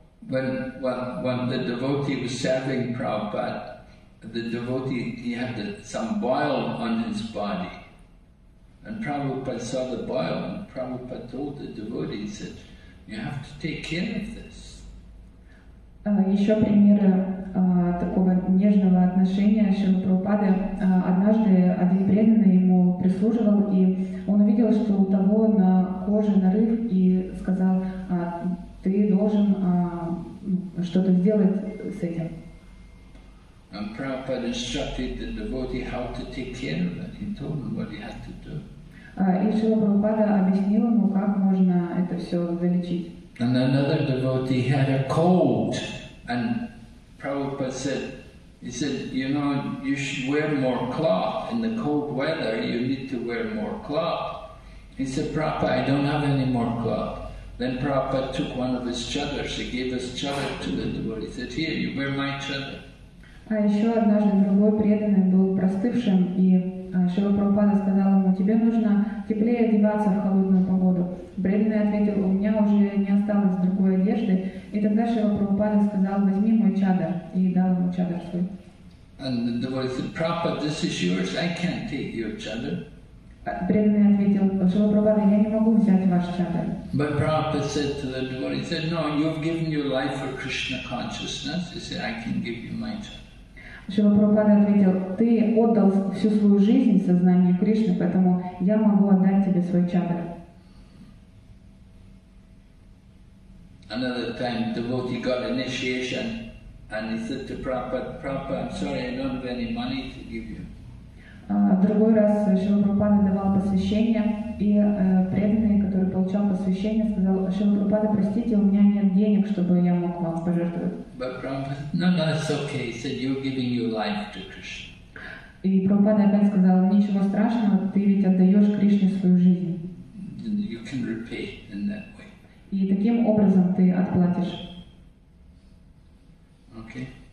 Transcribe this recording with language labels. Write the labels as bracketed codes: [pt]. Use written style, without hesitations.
[en] When the devotee was serving Prabhupada, the devotee, he had some boil on his body. And Prabhupada saw the boil, and Prabhupada told the devotee, he said, you have to take care of this. [ru] Еще пример такого нежного отношения Шрилы Прабхупады. Однажды один преданный ему прислуживал, и он увидел, что у того на коже нарыв, и сказал, ты должен что-то сделать с этим. [en] And Prabhupada instructed the devotee how to take care of it. He told him what he had to do. [ru] И Шрила Прабхупада объяснил ему, как можно это все залечить. [en] And another devotee had a cold. And Prabhupada said, he said, you know, you should wear more cloth. In the cold weather, you need to wear more cloth. He said, Prabhupada, I don't have any more cloth. Then Prabhupada took one of his chadars, he gave his chadar to the devotee. He said, here, you wear my chadar. [ru] А еще однажды другой преданный был простывшим, и Шрила Прабхупада сказал ему, тебе нужно теплее одеваться в холодную погоду. Преданный ответил, у меня уже не осталось другой одежды. И тогда Шрила Прабхупада сказал, возьми мой чадар, и дал ему чадар свой. [en] And the devotee said, Prabhupada, this is yours, I can't take your chadar. [ru] Преданный ответил, Шрила Прабхупада, я не могу взять ваш чадар. [en] But Prabhupada said to the devotee, he said, no, you've given your life for Krishna consciousness. He said, I can give you my chadar. [ru] Шрила Прабхупада ответил, ты отдал всю свою жизнь сознанию Кришны, поэтому я могу отдать тебе свой чадар. [en] Another time devotee got initiation and he said to Prabhupada, Prabhupada, I'm sorry, I don't have any money to give you. [ru] Другой раз Шрила Прабхупада давал посвящение, и преданный, который получал посвящение, сказал, Шрила Прабхупада, простите, у меня нет денег, чтобы я мог вам пожертвовать. [en] But Prabhupada, no, it's okay. He said, you're giving your life to Krishna. [ru] И Прабхупада опять сказал, ничего страшного, ты ведь отдаешь Кришне свою жизнь. [en] You can repay in that way. [ru] И таким образом ты отплатишь. [en] Okay.